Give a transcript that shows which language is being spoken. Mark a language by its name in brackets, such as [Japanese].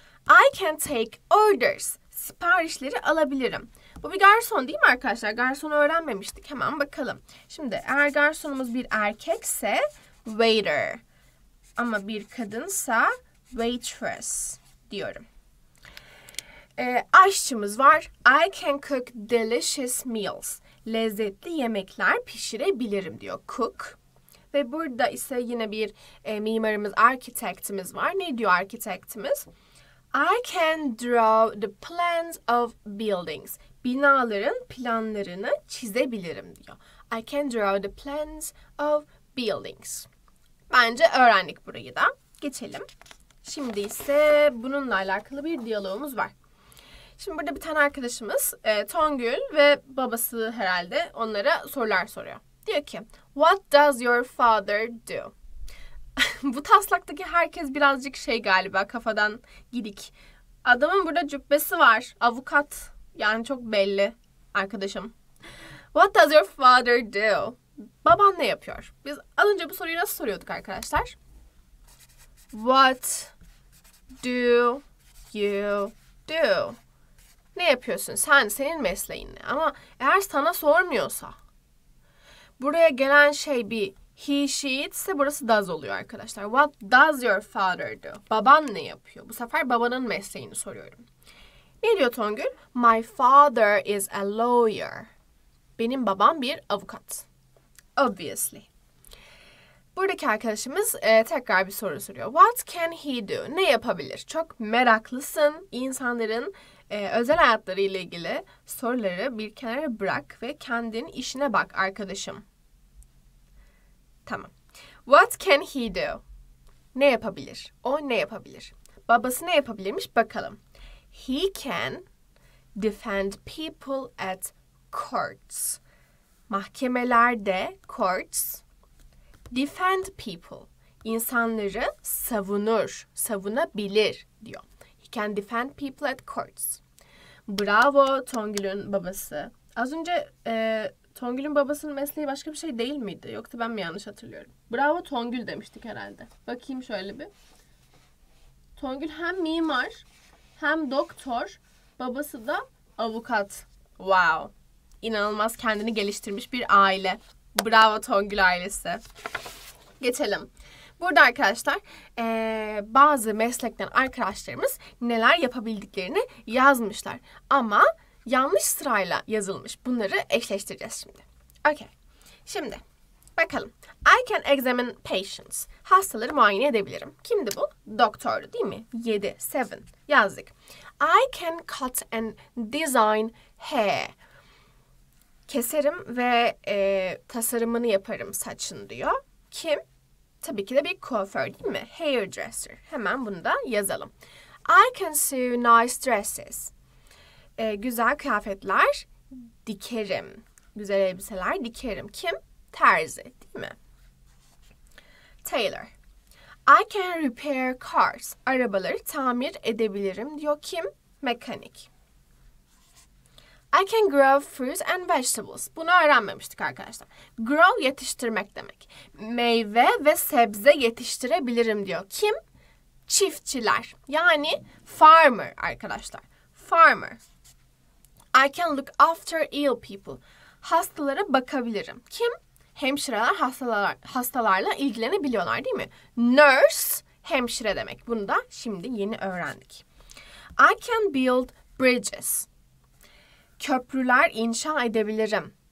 [English] I can take orders. [Turkish] Siparişleri alabilirim. Bu bir garson değil mi arkadaşlar? Garsonu öğrenmemiştik. Hemen bakalım. Şimdi eğer garsonumuz bir erkekse waiter. Ama bir kadınsa waitress diyorum. Aşçımız var. [English] I can cook delicious meals. [Turkish] Lezzetli yemekler pişirebilirim diyor. Cook. Ve burada ise yine bir mimarımız, arkitektimiz var. Ne diyor arkitektimiz? [English] I can draw the plans of buildings. [Turkish] Binaların planlarını çizebilirim diyor. [English] I can draw the plans of buildings. [Turkish] Bence öğrendik burayı da. Geçelim. Şimdi ise bununla alakalı bir diyalogumuz var. Şimdi burada bir tane arkadaşımız, Tongül ve babası herhalde, onlara sorular soruyor. Diyor ki, [English] what does your father do? [Turkish] Bu taslaktaki herkes birazcık şey galiba, kafadan gidik. Adamın burada cübbesi var, avukat. Yani çok belli arkadaşım. [English] What does your father do? [Turkish] Baban ne yapıyor? Biz az önce bu soruyu nasıl soruyorduk arkadaşlar? [English] What do you do? [Turkish] Ne yapıyorsun? Sen, senin mesleğin ne? Ama eğer sana sormuyorsa, buraya gelen şey bir he, she ise burası does oluyor arkadaşlar. [English] What does your father do? [Turkish] Baban ne yapıyor? Bu sefer babanın mesleğini soruyorum. Ne diyor Tongül? [English] My father is a lawyer. [Turkish] Benim babam bir avukat. [English] Obviously. [Turkish] Buradaki arkadaşımız tekrar bir soru soruyor. [English] What can he do? [Turkish] Ne yapabilir? Çok meraklısın. İnsanların özel hayatları ile ilgili soruları bir kenara bırak ve kendin işine bak arkadaşım. Tamam. [English] What can he do? [Turkish] Ne yapabilir? O ne yapabilir? Babası ne yapabilirmiş bakalım. [English] He can defend people at courts. [Turkish] Mahkemelerde [English] courts defend people. [Turkish] İnsanları savunur, savunabilir diyor. [English] He can defend people at courts. [Turkish] Bravo Tongül'ün babası. Az önce Tongül'ün babasının mesleği başka bir şey değil miydi? Yoksa ben mi yanlış hatırlıyorum? Bravo Tongül demiştik herhalde. Bakayım şöyle bir. Tongül hem mimar hem doktor, babası da avukat. Wow. İnanılmaz kendini geliştirmiş bir aile. Bravo Tongül ailesi. Geçelim. Burada arkadaşlar bazı meslekten arkadaşlarımız neler yapabildiklerini yazmışlar. Ama yanlış sırayla yazılmış. Bunları eşleştireceğiz şimdi. Okay. Şimdi bakalım. [English] I can examine patients. [Turkish] Hastaları muayene edebilirim. Kimdi bu? Doktordu değil mi? 7, 7 yazdık. [English] I can cut and design hair. [Turkish] Keserim ve tasarımını yaparım saçın diyor. Kim? Tabii ki de bir kuaför değil mi? Hairdresser. Hemen bunu da yazalım. [English] I can sew nice dresses. [Turkish] Güzel kıyafetler dikerim. Güzel elbiseler dikerim. Kim? Terzi değil mi? Taylor. [English] I can repair cars. [Turkish] Arabaları tamir edebilirim diyor. Kim? Mekanik. [English] I can grow fruits and vegetables. [Turkish] Bunu öğrenmemiştik arkadaşlar. Grow yetiştirmek demek. Meyve ve sebze yetiştirebilirim diyor. Kim? Çiftçiler. Yani farmer arkadaşlar. [English] Farmer. I can look after ill people. [Turkish] Hastalara bakabilirim. Kim? Hemşireler hastalarla ilgilenebiliyorlar değil mi? Nurse, hemşire demek. Bunu da şimdi yeni öğrendik. [English] I can build bridges. [Turkish] Köprüler inşa edebilirim.